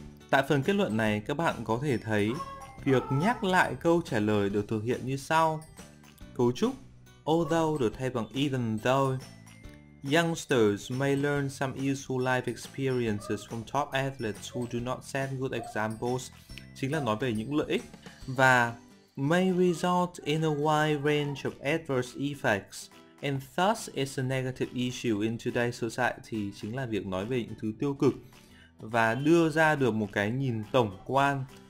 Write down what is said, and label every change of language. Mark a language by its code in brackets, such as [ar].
[vi] Tại phần kết luận này, các bạn có thể thấy việc nhắc lại câu trả lời được thực hiện như sau. Cấu trúc although được thay bằng even though. [en] Youngsters may learn some useful life experiences from top athletes who do not set good examples. [vi] Chính là nói về những lợi ích. Và [en] may result in a wide range of adverse effects and thus is a negative issue in today's society. [vi] Chính là việc nói về những thứ tiêu cực và đưa ra được một cái nhìn tổng quan.